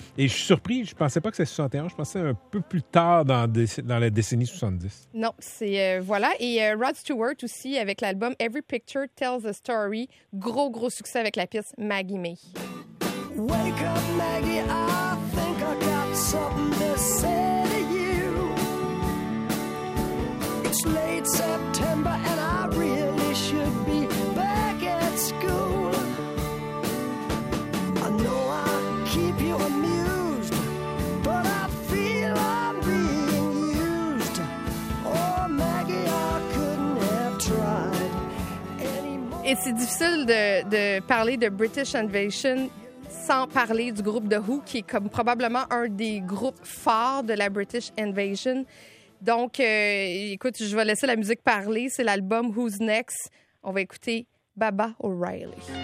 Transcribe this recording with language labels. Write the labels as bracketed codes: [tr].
[fr] Et je suis surpris, je pensais pas que c'était 61, je pensais un peu plus tard dans la décennie 70. Non, c'est... voilà. Et Rod Stewart aussi, avec l'album « Every Picture Tells a Story », gros, gros succès avec la pièce « Maggie May ». [en] Wake up, Maggie, I think I got something to say to you. It's late September and I really should be back at school. I know I keep you amused, but I feel I'm being used. Oh, Maggie, I couldn't have tried anymore. [fr] Et c'est difficile de parler de British Invasion sans parler du groupe The Who, qui est comme probablement un des groupes phares de la British Invasion. Donc, écoute, je vais laisser la musique parler. C'est l'album Who's Next. On va écouter Baba O'Reilly.